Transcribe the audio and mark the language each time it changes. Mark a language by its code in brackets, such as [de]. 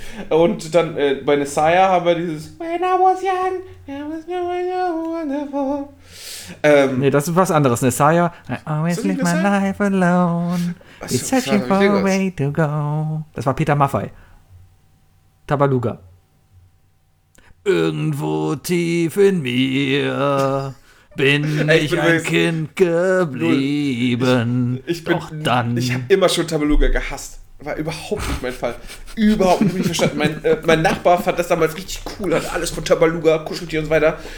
[de] Und dann bei Nessiah haben wir dieses [en] When I was young, I was wonderful. [de] Nee, das ist was anderes. [en] Nessiah, I always live my life alone. It's searching for a way to go. [de] Das war Peter Maffay. Tabaluga. Irgendwo tief in mir bin ich ein Kind geblieben. Ich habe immer schon Tabaluga gehasst. War überhaupt nicht mein Fall. Überhaupt nicht verstanden. Mein Nachbar fand das damals richtig cool, hat alles von Tabaluga, Kuscheltier und so weiter.